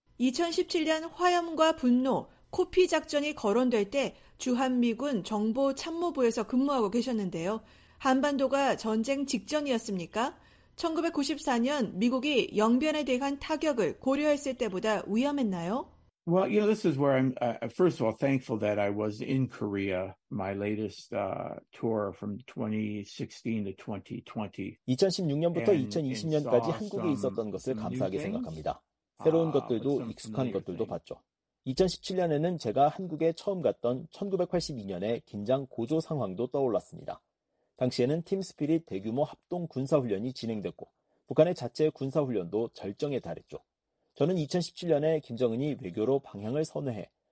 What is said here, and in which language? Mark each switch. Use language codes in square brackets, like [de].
[ko] 2017년 화염과 분노, 코피 작전이 거론될 때 주한미군 정보참모부에서 근무하고 계셨는데요. 한반도가 전쟁 직전이었습니까? 1994년 미국이 영변에 대한 타격을 고려했을 때보다 위험했나요? [en] Well, you know, this is where I'm first of all thankful that I was in Korea my latest tour from 2016 to 2020. [ko] 2016년부터 2020년까지 한국에 있었던 것을 감사하게 생각합니다. 새로운 것들도 익숙한 것들도 봤죠. 2017년에는 제가 한국에 처음 갔던 1982년의 긴장 고조 상황도 떠올랐습니다. 당시에는 팀스피릿 대규모 합동 군사훈련이 진행됐고 북한의 자체 군사훈련도 절정에 달했죠. 저는 2017년에 김정은이 외교로 방향을 선회해